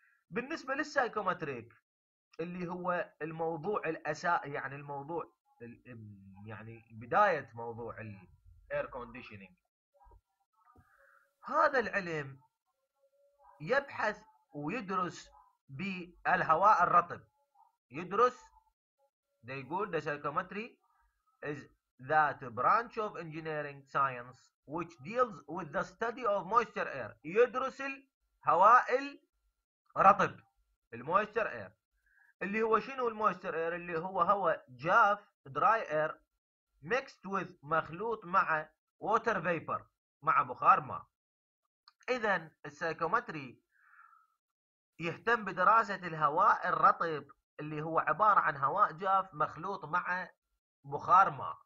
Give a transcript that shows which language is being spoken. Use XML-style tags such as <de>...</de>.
<ar>بالنسبه للسايكومتريك اللي هو الموضوع الاساسي، يعني الموضوع يعني بداية موضوع الـ Air Conditioning، هذا العلم يبحث ويدرس بالهواء الرطب. يدرس،</ar> <en>they</en> <ar>يقول</ar> <en>the psychrometry is that branch of engineering science which deals with the study of moisture air.</en> <ar>يدرس الهواء الرطب، الموستر اير، اللي هو شنو الموستر اير؟ اللي هو هواء جاف، دراي اير،</ar> <en>mixed with,</en> <ar>مخلوط مع ووتر فيبر، مع بخار ماء. اذا السايكومتري يهتم بدراسه الهواء الرطب اللي هو عباره عن هواء جاف مخلوط مع بخار ماء.</ar>